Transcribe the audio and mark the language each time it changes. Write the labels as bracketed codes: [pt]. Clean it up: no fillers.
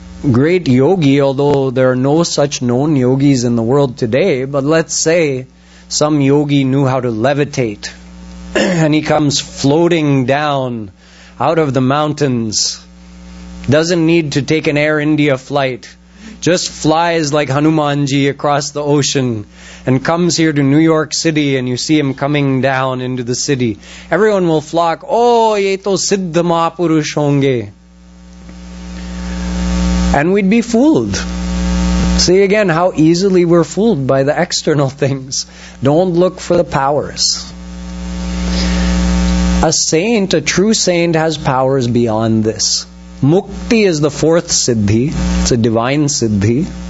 [en] great yogi, although there are no such known yogis in the world today, but let's say some yogi knew how to levitate, and he comes floating down out of the mountains, doesn't need to take an Air India flight, just flies like Hanumanji across the ocean and comes here to New York City, and you see him coming down into the city. Everyone will flock, [hi] "Oh, ये तो सिद्ध महापुरुष होंगे." [en] And we'd be fooled. See again how easily we're fooled by the external things. Don't look for the powers. A saint, a true saint, has powers beyond this. Mukti is the fourth siddhi. It's a divine siddhi.